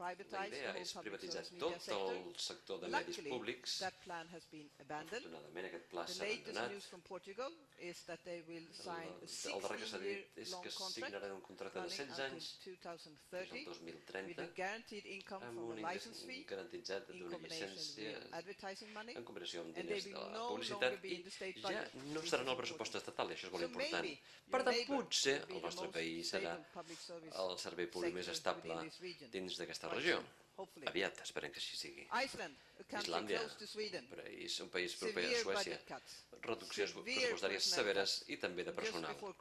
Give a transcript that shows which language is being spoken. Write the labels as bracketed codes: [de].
[ca] La idea és privatitzar tot el sector de medis públics. Afortunadament, aquest pla s'ha abandonat. [en] Is that they will sign a 16-year-long contract running until 2030 with a guaranteed income from the license fee in combination with advertising money, and they will no longer be in the state budget. [ca] Ja no estaran al pressupost estatal, això és molt important. Per tant, potser el vostre país serà el servei públic més estable dins d'aquesta regió. Aviat, esperem que així sigui. Islàndia, un país proper a Suècia, reduccions pressupostàries severes i també de personal.